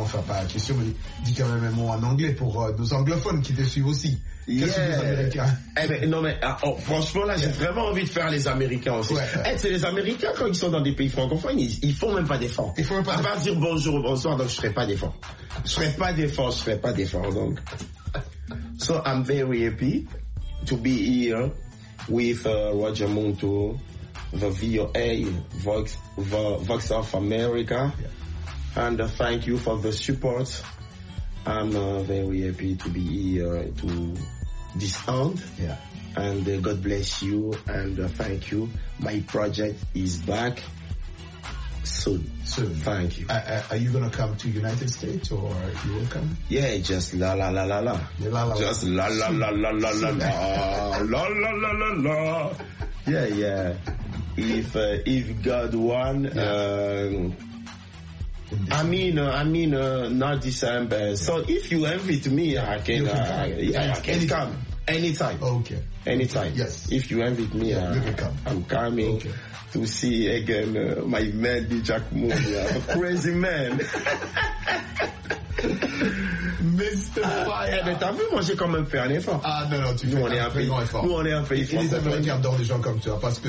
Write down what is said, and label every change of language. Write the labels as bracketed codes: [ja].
[fr] Enfin, pas la question, mais dis quand même un mot en anglais pour nos anglophones qui te suivent aussi. Yeah. Qu'est-ce que les Américains? Franchement, là, j'ai vraiment envie de faire les Américains aussi. Ouais. C'est les Américains, quand ils sont dans des pays francophones, ils font même pas d'efforts. Ils font même pas d'efforts. À part dire bonjour ou bonsoir, donc je ferai pas d'efforts, donc. [en] So, I'm very happy to be here with Roger Muntu, the VOA, Vox of America. Yeah. And thank you for the support. I'm very happy to be here to this end. Yeah. And God bless you and thank you. My project is back soon. Soon. Thank you. Are you going to come to United States or you will come? Yeah, just la la la la la. La la just la la la la la la la. La la la la la. Yeah, yeah. If God won, yeah. I mean, not December. Yeah. So if you invite me, yeah. I can come anytime. Okay. Anytime. Yes. If you invite me, yeah, I'm coming to see again my man DJ Akmu, crazy man. Mr. Fire. [fr] T'as vu, moi j'ai quand même fait un effort. Ah non, tu fais un effort. Nous on est un pays français. Les Américains adorent les gens comme toi parce que